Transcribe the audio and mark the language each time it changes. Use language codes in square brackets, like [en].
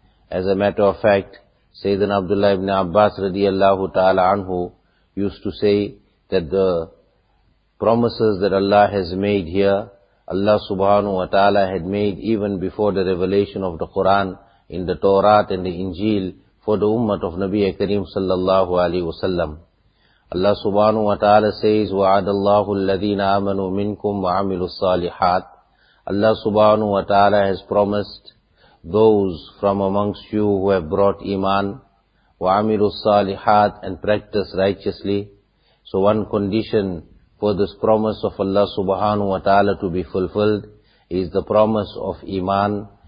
[en] As a matter of fact, Sayyidina Abdullah ibn Abbas radiyallahu ta'ala anhu used to say that the promises that Allah has made here, Allah subhanahu wa ta'ala had made even before the revelation of the Quran in the Torah and the Injil for the ummat of Nabi Kareem sallallahu alayhi wa sallam. Allah subhanahu wa ta'ala says, [ar] وَعَدَ اللَّهُ الَّذِينَ آمَنُوا مِنْكُمْ وَعَمِلُوا الصَّالِحَاتِ. [en] Allah subhanahu wa ta'ala has promised those from amongst you who have brought iman, [ar] وَعَمِلُوا الصَّالِحَاتِ, [en] and practice righteously. So one condition for this promise of Allah subhanahu wa ta'ala to be fulfilled is the promise of iman.